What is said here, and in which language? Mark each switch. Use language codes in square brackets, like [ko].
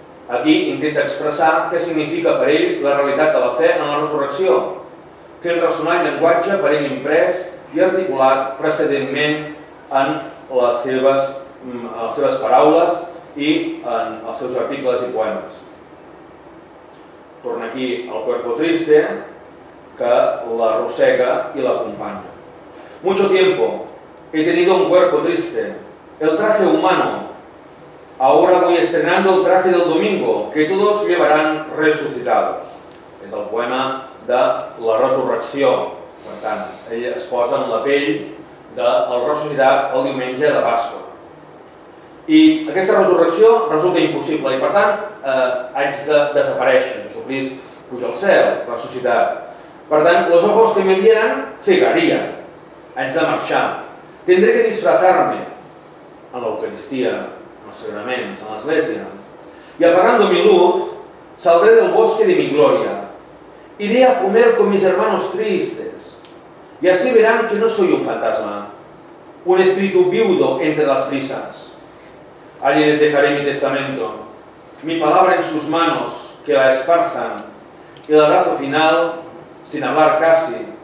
[ca] Aquí intenta expressar què significa per ell la realitat de la fe en la resurrecció, fent ressonar el llenguatge per ell imprès i articulat precedentment en les seves paraules i en els seus articles i poemes. Torna aquí el [es] cuerpo triste, [ca] que l'arrossega i l'acompanya. [es] Mucho tiempo he tenido un cuerpo triste, el traje humano. Ahora voy estrenando el traje del domingo, que todos llevarán resucitados. [ca] És el poema de la resurrecció. Per tant, ell es posa en la pell del ressuscitat el diumenge de Pasqua. I aquesta resurrecció resulta impossible i, per tant, haig de desaparèixer. Jesucrist puja al cel, ressuscitat. Per tant, [es] los ojos que me vieran cegarían. [ca] Haig de marxar. [es] Tendré que disfrazar-me [ca] en l'Eucaristia, en els sagraments, en l'Església. [es] I apagando mi luz, saldré del bosque de mi gloria. Iré a comer con mis hermanos tristes. Y así verán que no soy un fantasma, un espíritu viudo entre las prisas. Allí les dejaré mi testamento, mi palabra en sus manos, que la esparzan, y el abrazo final, sin hablar casi.